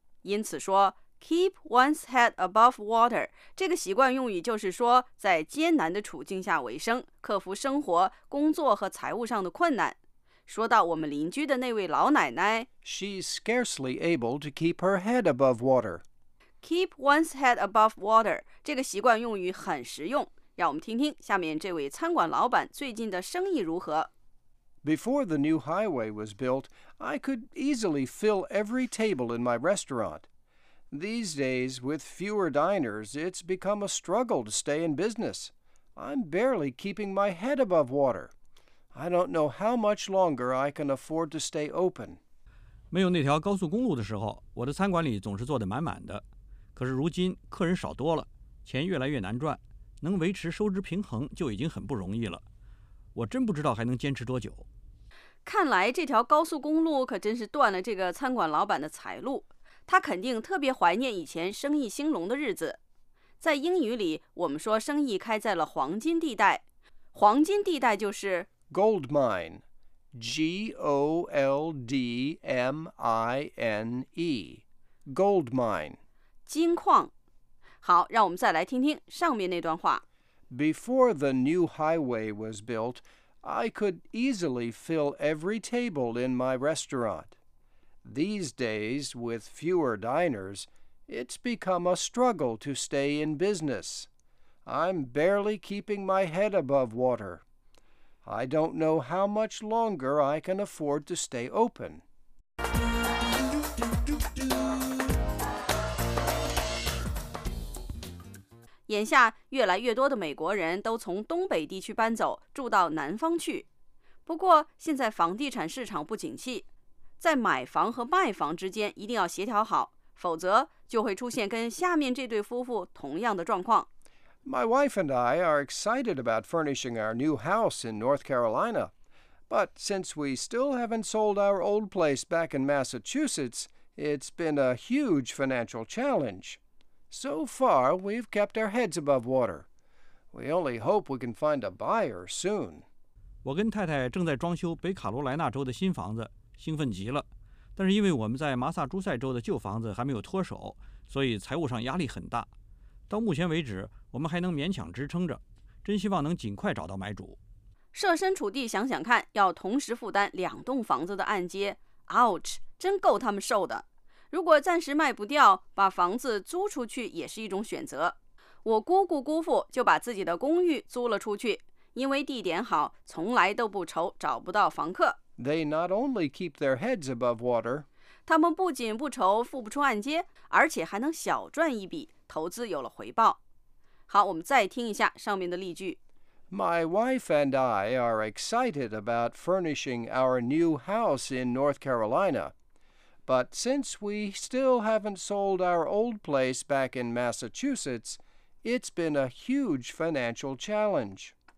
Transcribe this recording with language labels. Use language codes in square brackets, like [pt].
[zh] 因此说, [en] keep one's head above water, [zh] 这个习惯用语就是说在艰难的处境下维生,克服生活、工作和财务上的困难。说到我们邻居的那位老奶奶, [en] She's scarcely able to keep her head above water. Keep one's head above water, [zh] 这个习惯用语很实用。让我们听听下面这位餐馆老板最近的生意如何。 [en] Before the new highway was built, I could easily fill every table in my restaurant. These days, with fewer diners, it's become a struggle to stay in business. I'm barely keeping my head above water. I don't know how much longer I can afford to stay open. [zh] 没有那条高速公路的时候，我的餐馆里总是坐得满满的。可是如今客人少多了，钱越来越难赚。能维持收支平衡就已经很不容易了，我真不知道还能坚持多久。看来这条高速公路可真是断了这个餐馆老板的财路。他肯定特别怀念以前生意兴隆的日子。在英语里，我们说生意开在了黄金地带。黄金地带就是 [en] Gold mine, G-O-L-D-M-I-N-E, gold mine. [zh] 金矿。好，让我们再来听听上面那段话。 [en] Before the new highway was built, I could easily fill every table in my restaurant. These days, with fewer diners, it's become a struggle to stay in business. I'm barely keeping my head above water. I don't know how much longer I can afford to stay open. [zh] 眼下，越来越多的美国人都从东北地区搬走，住到南方去。不过，现在房地产市场不景气，在买房和卖房之间一定要协调好，否则就会出现跟下面这对夫妇同样的状况。 [en] My wife and I are excited about furnishing our new house in North Carolina. But since we still haven't sold our old place back in Massachusetts, it's been a huge financial challenge. So far, we've kept our heads above water. We only hope we can find a buyer soon. [zh] 我跟太太正在装修北卡罗莱纳州的新房子，兴奋极了。但是因为我们在马萨诸塞州的旧房子还没有脱手，所以财务上压力很大。到目前为止，我们还能勉强支撑着，真希望能尽快找到买主。设身处地想想看，要同时负担两栋房子的按揭 ， [en] ouch， [zh] 真够他们受的。如果暂时卖不掉，把房子租出去也是一种选择。我姑姑姑父就把自己的公寓租了出去，因为地点好，从来都不愁找不到房客。 [en] They not only keep their heads above water. [zh] 他们不仅不愁付不出按揭，而且还能小赚一笔，投资有了回报。好，我们再听一下上面的例句。 [en] My wife and I are excited about furnishing our new house in North Carolina. But since we still haven't sold our old place back in Massachusetts, it's been a huge financial challenge.